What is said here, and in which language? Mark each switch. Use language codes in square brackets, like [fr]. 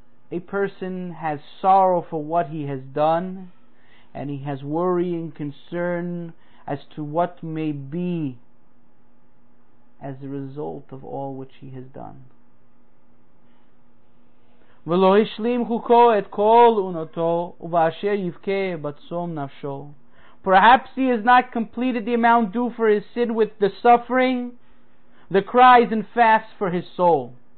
[en] a person has sorrow for what he has done, and he has worry and concern as to what may be as a result of all which he has done. [he] ולא ישלים חוקו את כל אונותו ובאשר יבכה בצום נפשו. [en] Perhaps he has not completed the amount due for his sin with the suffering, the cries and fasts for his soul.